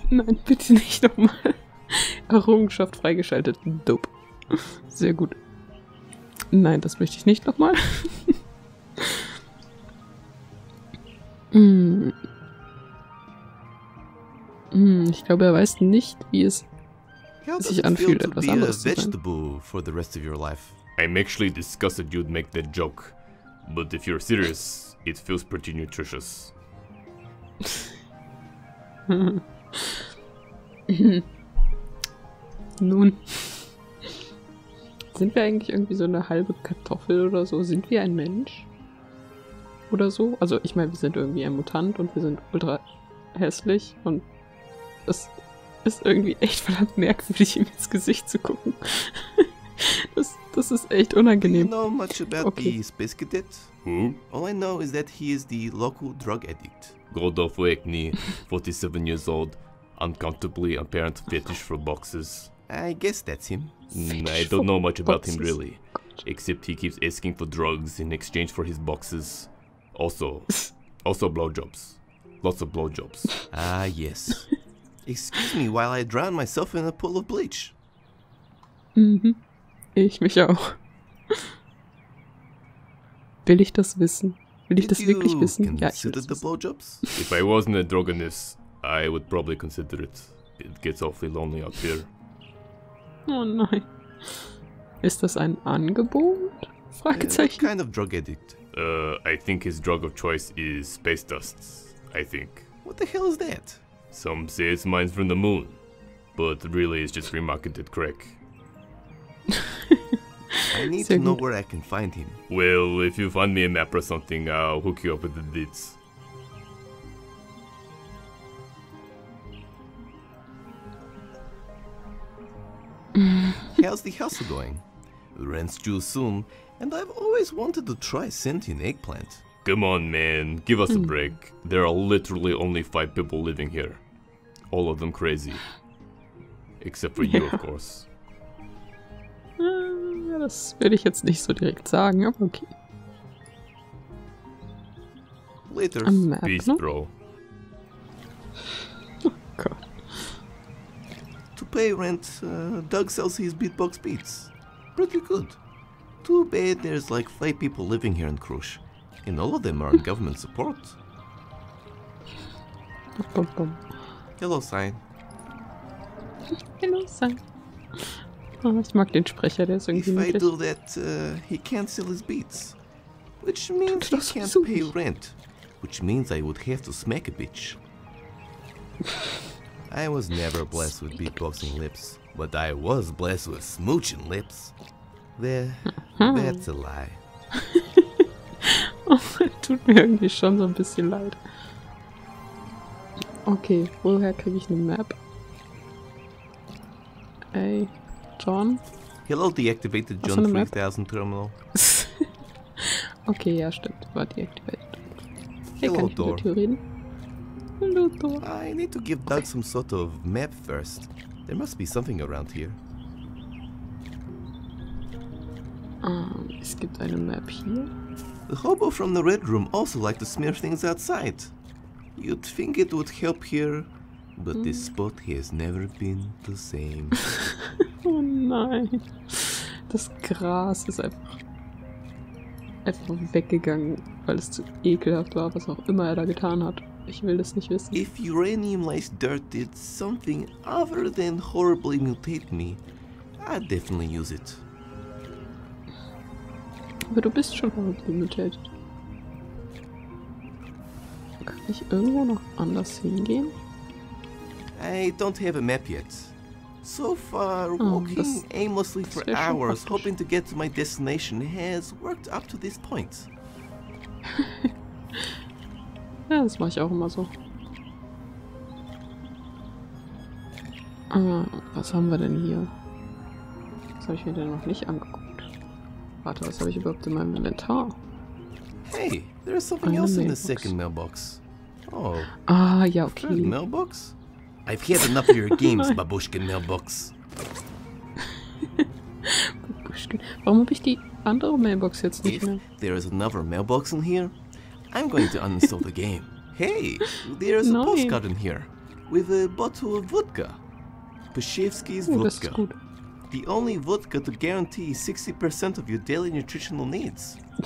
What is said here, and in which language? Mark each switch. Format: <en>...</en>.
<de>Nein, bitte nicht nochmal. Errungenschaft freigeschaltet. Dope. Sehr gut. Nein, das möchte ich nicht nochmal. Ich glaube, er weiß nicht, wie es sich anfühlt, etwas anderes zu sein.</de> <en>For the rest of your life? I'm actually disgusted you'd make that joke. But if you're serious, it feels pretty nutritious.</en> <de>Nun. Sind wir eigentlich irgendwie so eine halbe Kartoffel oder so? Sind wir ein Mensch? Oder so? Also ich meine, wir sind irgendwie ein Mutant und wir sind ultra hässlich und es ist irgendwie echt verdammt merkwürdig, ihm ins Gesicht zu gucken. Das ist echt unangenehm.</de> <en>Do you know much about the space cadet? All I know is that he is the local drug addict. Godolf Wagner, 47 years old, uncomfortably apparent fetish for boxes. I guess that's him. I don't know much about him really, except he keeps asking for drugs in exchange for his boxes. Also blowjobs. Lots of blowjobs. Ah, yes. Excuse me while I drown myself in a pool of bleach.</en> <de>Ich mich auch. Will ich das wissen? Will ich das wirklich wissen? Ja, ich will das blowjobs?</de> <en>If I wasn't a drogonist, I would probably consider it. It gets awfully lonely up here. Oh nein. Ist das ein Angebot? Fragezeichen. What kind of drug addict? I think his drug of choice is space dust, I think. What the hell is that? Some say it's mines from the moon, but really it's just remarketed crack. I need to know where I can find him. Well, if you find me a map or something, I'll hook you up with the deets. How's the hustle going? Rent's due soon. And I've always wanted to try sentient eggplant. Come on, man. Give us a break. There are literally only 5 people living here. All of them crazy. Except for you, of course.</en> <de>Das würde ich jetzt nicht so direkt sagen, aber okay.</de> <en>Later. Peace, bro. Oh, God. To pay rent, Doug sells his beatbox beats. Pretty good. Too bad there's like 5 people living here in Krush, and all of them are on government support. Hello, Sign. Hello, Sign.</en> <de>Oh, ich mag den Sprecher, der ist irgendwie niedlich.</de> <en>If I do that, he can't sell his beats. Which means he can't pay rent. Which means I would have to smack a bitch. I was never blessed with beatboxing lips, but I was blessed with smooching lips. That's a lie.</en> <de>Oh, tut mir irgendwie schon so ein bisschen leid. Okay, woher kriege ich eine Map? Ey, John?</de> <en>Hello, deactivated John 3000 Terminal.</en> <de>Okay, ja, stimmt. War deactivated.</de> <en>Hey, hello,</en> <de>kann ich mit dir reden?</de> <en>Hello, Thor. I need to give Doug some sort of map first. There must be something around here.</en> <de>Es gibt eine Map hier.</de> <en>The hobo from the red room also like to smear things outside. You'd think it would help here, But this spot has never been the same.</en> <de>Oh nein. Das Gras ist einfach weggegangen, weil es zu ekelhaft war, was auch immer er da getan hat. Ich will das nicht wissen.</de> <en>If uranium lies dirt did something other than horribly mutate me, I'd definitely use it.</en> <de>Aber du bist schon</de> <en>horribly mutated.</en> <de>Kann ich irgendwo noch anders hingehen?</de> <en>I don't have a map yet. So far, walking aimlessly for hours, hoping to get to my destination, has worked up to this point.</en> <de>Ja, das mache ich auch immer so. Was haben wir denn hier? Was habe ich mir denn noch nicht angeguckt? Warte, was habe ich überhaupt in meinem Inventar?</de> <en>Hey, there is something else in the second mailbox. Oh.</en> <de>Ah, ja, okay.</de> <en>Third mailbox? I've had enough of your games, Babushkin Mailbox. Babushkin.</en> <de>Warum habe ich die andere Mailbox jetzt nicht mehr?</de> <en>If there is another mailbox in here, I'm going to uninstall the game. Hey, there is a postcard in here. With a bottle of vodka. Pashevsky's vodka.</en> <de>Das ist gut.</de> <en>The only vodka to guarantee 60% of your daily nutritional needs.</en>